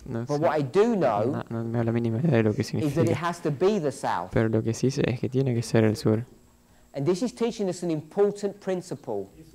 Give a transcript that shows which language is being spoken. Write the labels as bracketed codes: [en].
[en] But what I do know is that it has to be the south. [es] Pero lo que sí sé es que tiene que ser el sur. [en] And this is teaching us an important principle.